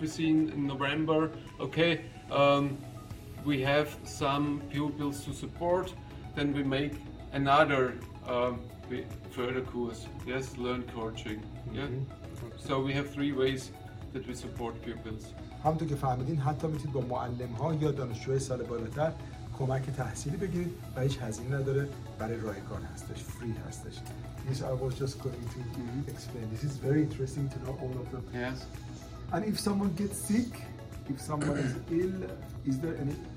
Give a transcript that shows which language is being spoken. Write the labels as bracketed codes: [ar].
[en] We see in November. Okay. We have some pupils to support. Then we make another. Further course, yes, learn coaching, yeah. Okay. So we have 3 ways that we support pupils. [fa] همونطور که فهمیدین حتی میتونید با معلم‌ها یا دانشجوی سال بالاتر کمک تحصیلی بگیرید و هیچ هزینه نداره، برای رایگان هستش، فری هستش. [en] This I was just going to explain. This is very interesting to know all of them. Yes. And if someone gets sick, if someone is ill, is there any?